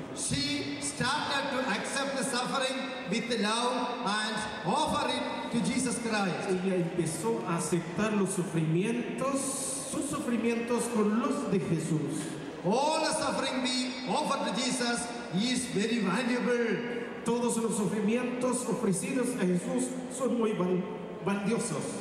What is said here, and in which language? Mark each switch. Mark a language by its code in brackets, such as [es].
[en] She started to accept the suffering with love and offer it to Jesus Christ. [es] Ella empezó a aceptar los sufrimientos, sus sufrimientos con los de Jesús. [en] All the suffering we offer to Jesus is very valuable. [es] Todos los sufrimientos ofrecidos a Jesús son muy valiosos.